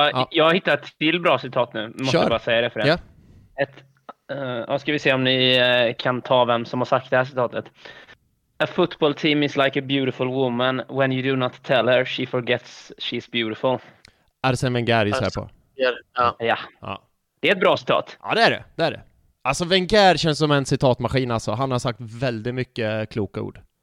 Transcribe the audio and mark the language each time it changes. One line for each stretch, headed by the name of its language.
Swedish: Jag har hittat till bra citat nu. Måste jag bara säga det för det. Ska vi se om ni kan ta vem som har sagt det här citatet.
English: A football team is like a beautiful woman. When you do not tell her, she forgets she's beautiful.
Swedish: Arsene Wenger är så här på. Ja. Det är ett bra citat. Ja, det är det. Det är det. Alltså, Wenger känns som en citatmaskin. Alltså. Han har sagt väldigt mycket kloka ord.